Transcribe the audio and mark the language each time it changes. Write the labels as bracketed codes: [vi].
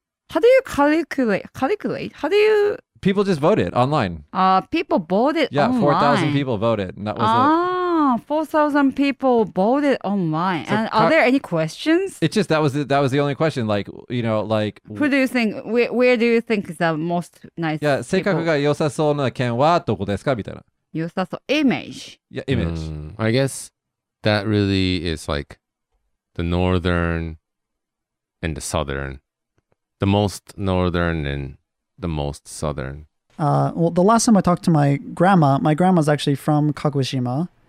[en] How do you calculate? How do you? People just voted online. People voted. Yeah, 4,000 people voted, and that was it. 4,000 people voted online. So and are there any questions? It's just that was the only question. Like, you know, like, who do you think? Where do you think is the most nice? [ja] Yeah, 性格が良さそうな県はどこですかみたいな. 良さそう.Image. [en] Yeah, image. I guess that really is like the northern and the southern, the most northern and the most southern. Well, the last time I talked to my grandma's actually from Kagoshima.